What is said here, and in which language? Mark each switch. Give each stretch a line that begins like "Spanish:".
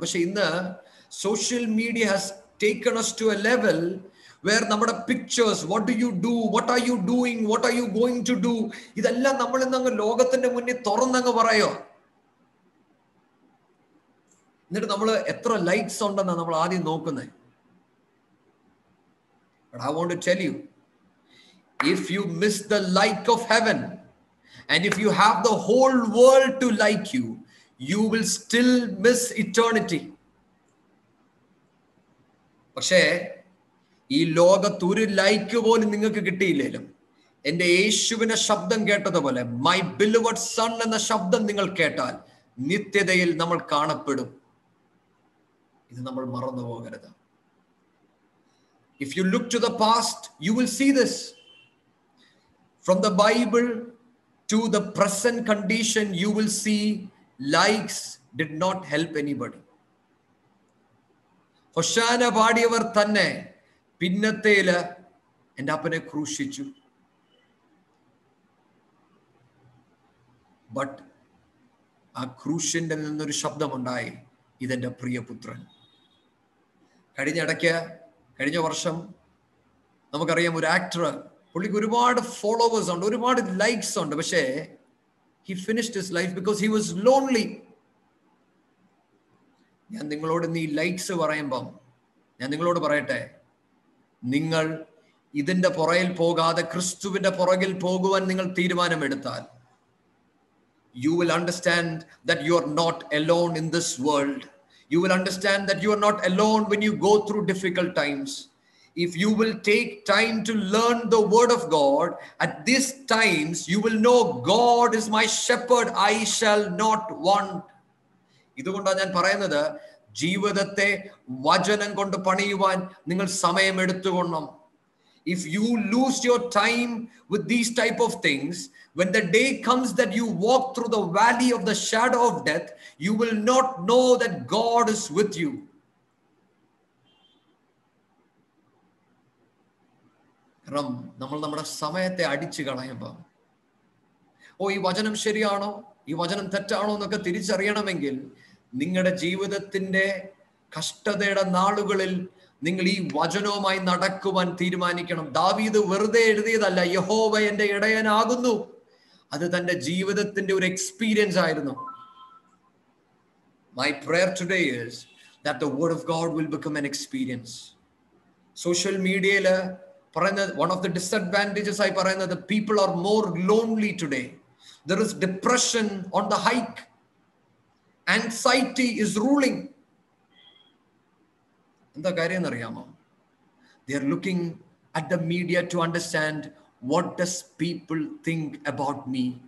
Malayalam: പക്ഷെ ഇന്ന് social media
English: has taken us to a level where
Malayalam: നമ്മുടെ pictures,
English: what do you do, what are you doing, what are you going to do,
Malayalam: ഇതെല്ലാം നമ്മൾ ഇന്ന് അങ്ങ് ലോകത്തിന്റെ മുന്നിൽ തുറന്നങ്ങ് പറയോ? എന്നിട്ട് നമ്മൾ എത്ര ലൈക്സ് ഉണ്ടെന്നാണ് നമ്മൾ ആദ്യം നോക്കുന്നത്.
English: But I want to tell you, if you miss the like of heaven, and if you have the whole world to like you, you will still miss eternity.
Malayalam: പക്ഷേ ഈ ലോകത്ത് ഒരു ലൈക്ക് പോലും നിങ്ങൾക്ക് കിട്ടിയില്ലെങ്കിലും, എന്റെ യേശുവിനെ ശബ്ദം കേട്ടതുപോലെ,
English: my beloved son
Malayalam: എന്ന ശബ്ദം നിങ്ങൾ കേട്ടാൽ നിത്യതയിൽ നമ്മൾ കാണപ്പെടും. ഇത് നമ്മൾ മറന്നു പോകരുത്.
English: If you look to the past, you will see this. From the Bible to the present condition, you will see likes did not help anybody.
Malayalam: Hoshana Padiyavar Thanne Pinnathela and Appane Krushichu. But a Krushinte Ninnoru Shabdam Undayi, Ithente Priyaputran. കഴിഞ്ഞ വർഷം നമുക്കറിയാം ഒരു actor, പുള്ളിക്ക് ഒരുപാട് followers ഉണ്ട്, ഒരുപാട് likes ഉണ്ട്, പക്ഷേ
English: He finished his life because he was lonely.
Malayalam: ഞാൻ നിങ്ങളോട് ഈ ലൈക്സ് പറയുമ്പം ഞാൻ നിങ്ങളോട് പറയട്ടെ, നിങ്ങൾ ഇതിൻ്റെ പുറകിൽ പോകാതെ ക്രിസ്തുവിൻ്റെ പുറകിൽ പോകുവാൻ നിങ്ങൾ തീരുമാനമെടുത്താൽ,
English: You will understand that you are not alone in this world. You will understand that you are not alone when you go through difficult times. If you will take time to learn the word of God, at these times you will know God is my shepherd, I shall not want.
Malayalam: ഇതുകൊണ്ടാണ് ഞാൻ പറയുന്നത്, ജീവിതത്തെ വചനം കൊണ്ട് പണിയുവാൻ നിങ്ങൾ സമയം എടുത്തുകൊണം.
English: If you lose your time with these type of things, when the day comes that you walk through the valley of the shadow of death, you will not know that God is with you.
Malayalam: Ram, nammal nammada samayathe adichu kalayumbam, oh ee vajanam seriyano ee vajanam thettano ennokke thirichariyanamengil, ningalude jeevithathinte kashtathayude naalukalil നിങ്ങൾ ഈ വചനവുമായി നടക്കുവാൻ തീരുമാനിക്കണം. ദാവീദ് വെറുതെ എഴുതിയതല്ല, യഹോവ എൻ്റെ ഇടയനാകുന്നു. അത് തൻ്റെ ജീവിതത്തിൻ്റെ ഒരു എക്സ്പീരിയൻസ് ആയിരുന്നു.
English: My prayer today is that the word of God will become an experience.
Malayalam: Social മീഡിയയിൽ പറയുന്നത്,
English: one of the disadvantages
Malayalam: ആയി പറയുന്നത്,
English: People are more lonely today. There is depression on the hike. Anxiety is ruling.
Malayalam: എന്താ കാര്യം എന്നറിയാമോ,
English: They are looking at the media to understand what does people think about me.